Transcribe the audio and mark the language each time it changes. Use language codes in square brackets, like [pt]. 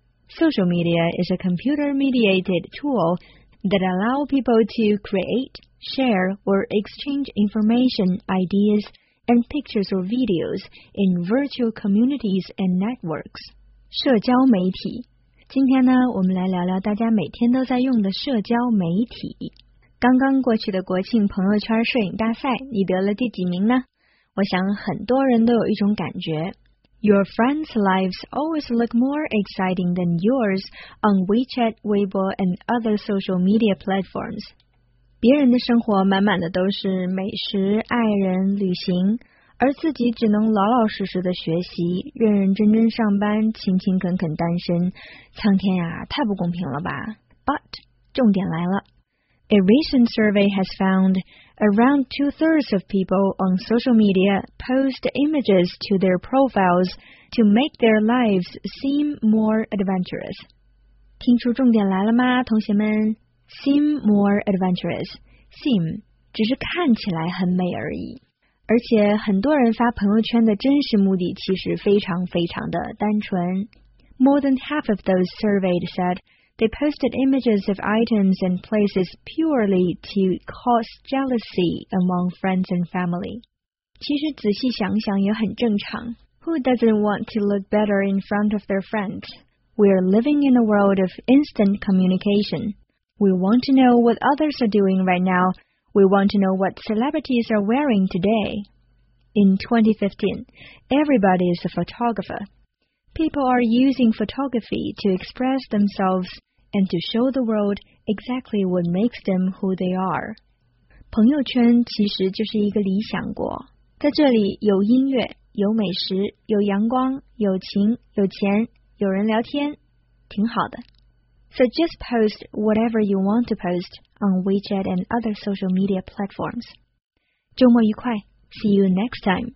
[en] Social media is a computer-mediated tool that allows people to create, share, or exchange information, ideas, and pictures or videos in virtual communities and networks. [zh] 社交媒体。今天呢，我们来聊聊大家每天都在用的社交媒体。刚刚过去的国庆朋友圈摄影大赛，你得了第几名呢？我想很多人都有一种感觉。 [en] Your friends' lives always look more exciting than yours on WeChat, Weibo, and other social media platforms. [zh] 别人的生活满满的都是美食、爱人、旅行，而自己只能老老实实的学习，认认真真上班，勤勤恳恳单身。苍天啊，太不公平了吧。But, 重点来了。 [en] A recent survey has found around 2/3 of people on social media post images to their profiles to make their lives seem more adventurous. [zh] 听出重点来了吗，同学们？ Seem more adventurous. Seem 只是看起来很美而已。而且很多人发朋友圈的真实目的其实非常非常的单纯。 [en] More than half of those surveyed said,They posted images of items and places purely to cause jealousy among friends and family. [zh] 其实仔细想想也很正常。 [en] Who doesn't want to look better in front of their friends? We are living in a world of instant communication. We want to know what others are doing right now. We want to know what celebrities are wearing today. In 2015, everybody is a photographer. People are using photography to express themselves and to show the world exactly what makes them who they are. [zh] 朋友圈其实就是一个理想国，在这里有音乐，有美食，有阳光，有情，有钱，有人聊天，挺好的。 [en] So just post whatever you want to post on WeChat and other social media platforms. 周末愉快，See you next time.